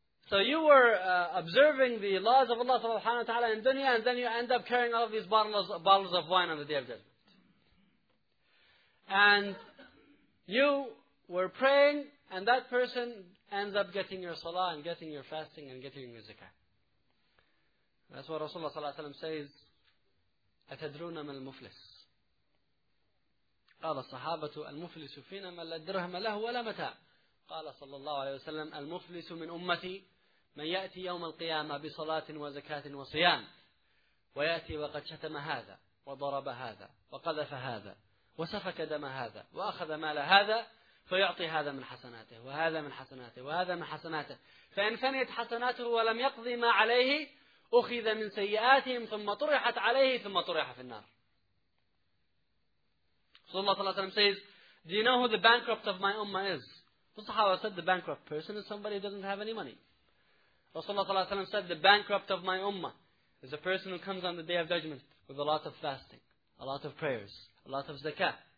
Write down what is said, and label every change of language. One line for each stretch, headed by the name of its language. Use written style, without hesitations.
English: So you were observing the laws of Allah subhanahu wa ta'ala in dunya, and then you end up carrying all of these bottles of wine on the Day of Judgment. And you were praying, and that person ends up getting your salah, and getting your fasting, and getting your zakah. That's what Rasulullah sallallahu alayhi wa sallam says,
Arabic: أَتَدْرُونَ مَا الْمُفْلِسِ قال الصحابة المفلس فينا من لا درهم له ولا متاع قال صلى الله عليه وسلم المفلس من أمتي من يأتي يوم القيامة بصلاة وزكاة وصيام ويأتي وقد شتم هذا وضرب هذا وقذف هذا وسفك دم هذا وأخذ مال هذا فيعطي هذا من حسناته وهذا من حسناته وهذا من حسناته فإن فنيت حسناته ولم يقضي ما عليه أخذ من سيئاتهم ثم طرحت عليه ثم طرح في النار.
English: Rasulullah says, do you know who the bankrupt of my ummah is? The Sahaba said, the bankrupt person is somebody who doesn't have any money. Rasulullah said, the bankrupt of my ummah is a person who comes on the Day of Judgment with a lot of fasting, a lot of prayers, a lot of zakah.